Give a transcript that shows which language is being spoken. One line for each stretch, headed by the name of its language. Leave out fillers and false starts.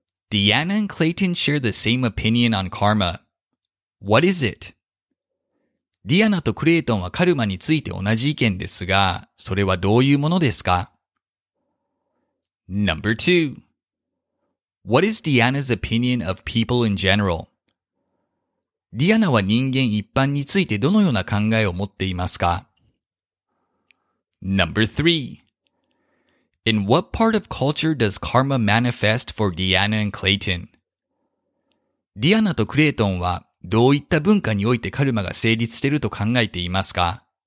English: Deanna and Clayton share the same opinion on karma. What is it?
Japanese: ディアナとクレイトンはカルマについて同じ意見ですが、それはどういうものですか
English: ?Number 2. What is Deanna's opinion of people in general?
Japanese: ディアナは人間一般についてどのような考えを持っていますか
English: ?Number 3. In what part of culture does karma manifest for Deanna and Clayton?
Japanese: ディアナとクレイトンはどういった文化においてカルマが成立していると考えていますか?